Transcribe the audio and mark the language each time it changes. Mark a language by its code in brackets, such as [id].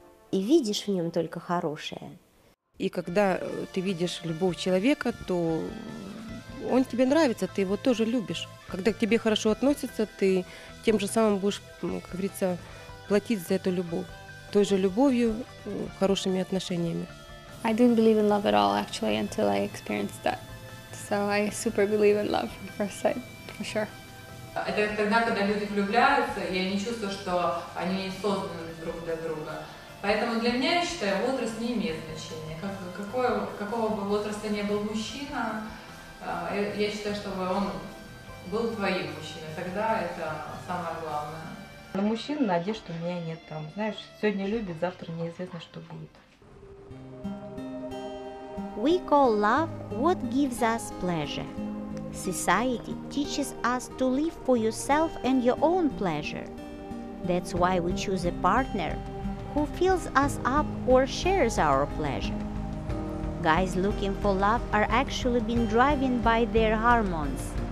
[ru] И видишь в нем только хорошее. И когда ты видишь любовь человека, то он тебе нравится, ты его тоже любишь. Когда к тебе хорошо относятся, ты тем же самым будешь, как говорится, платить за эту любовь. Той же любовью, хорошими отношениями. [en] I didn't believe in love at all, actually, until I experienced that. So I super believe in love from first sight. Sure. [ru] Это тогда, когда люди влюбляются, и они чувствуют, что они не созданы друг для друга. Поэтому для меня, я считаю, возраст не имеет значения. Какого бы возраста ни был мужчина, я считаю, чтобы он был твоим мужчиной. Тогда это самое главное. На мужчин надежд у меня нет. Там, знаешь, сегодня любит, завтра неизвестно, что будет. [en] We call love what gives us pleasure. Society teaches us to live for yourself and your own pleasure. That's why we choose a partner who fills us up or shares our pleasure. Guys looking for love are actually being driven by their hormones.